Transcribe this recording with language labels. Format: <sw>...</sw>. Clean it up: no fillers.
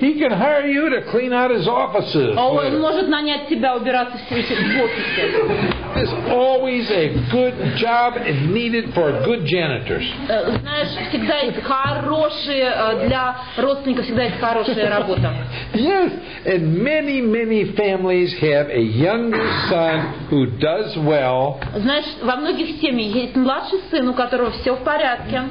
<en>He can hire you to clean out his offices.</en> <ru>Он может нанять тебя убираться в офисе.</ru> <en>There's always a good job and needed for good janitors.</en> <ru>Знаешь, всегда есть хорошие для родственников всегда есть хорошая работа.</ru> <en>Yes, and many many families have a younger son who does well.</en> <ru>Знаешь, во многих семьях есть младший сын, у которого все в порядке.</ru>